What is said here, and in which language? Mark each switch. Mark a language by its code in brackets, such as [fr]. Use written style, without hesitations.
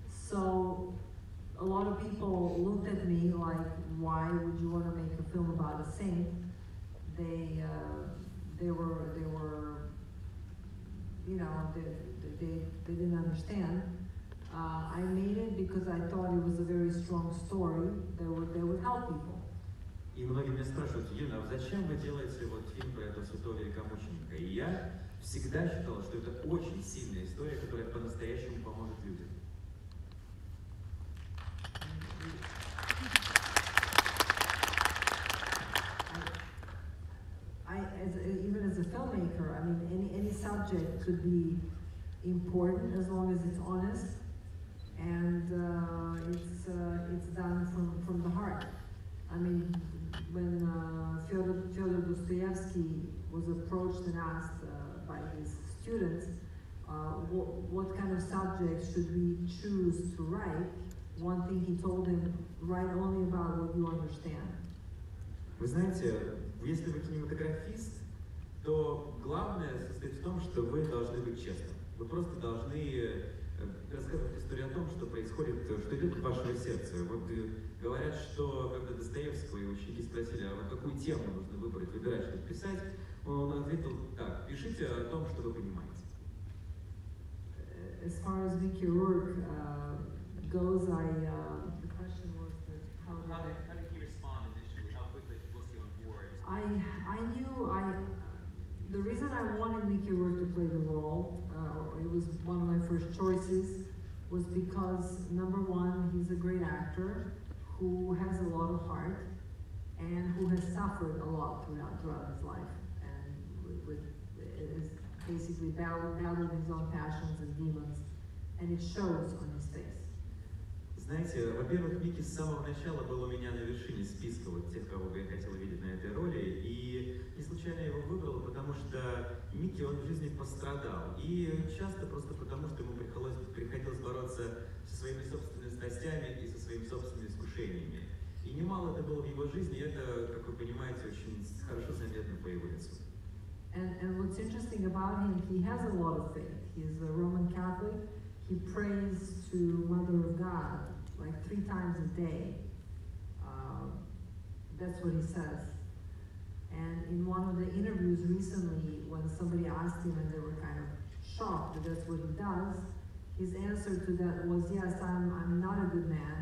[en] So a lot of people looked at me like, why would you want to make a film about a saint? They didn't understand. I made it because I thought it was a very strong story that would help people. [ru] И многие меня спрашивают, Юна, а зачем вы делаете вот фильм про этого святого великомученика? И я всегда считал, что это очень сильная история, которая по-настоящему поможет людям. [en] As a filmmaker, I mean, any subject could be important as long as it's honest and it's done from the heart. I mean, when Fyodor Dostoevsky was approached and asked by his students what kind of subject should we choose to write, one thing he told him, write only about what you understand. [ru] Вы знаете, если вы кинематографист, то главное состоит в том, что вы должны быть честным. Вы просто должны рассказывать историю о том, что происходит, что идет в ваше сердце. Вот говорят, что когда Достоевского и ученики спросили, а вот какую тему нужно выбрать, выбирать, чтобы писать, он ответил так, пишите о том, что вы понимаете. [en] As far as Vicky Rourke goes, the question was that the reason I wanted Mickey Rourke to play the role, it was one of my first choices, was because, number one, he's a great actor who has a lot of heart and who has suffered a lot throughout his life and has basically battled his own passions and demons, and it shows on his face. [ru] Знаете, во-первых, Микки с самого начала был у меня на вершине списка вот тех, кого я хотел видеть на этой роли, и не случайно я его выбрал, потому что Микки, он в жизни пострадал, и часто просто потому, что ему приходилось бороться со своими собственными страстями и со своими собственными искушениями. И немало это было в его жизни, и это, как вы понимаете, очень хорошо заметно по его лицу. [en] And what's interesting about him, he has a lot of faith. He's a Roman Catholic. He prays to Mother of God like 3 times a day. That's what he says. And in one of the interviews recently, when somebody asked him and they were kind of shocked that that's what he does, his answer to that was, yes, I'm not a good man.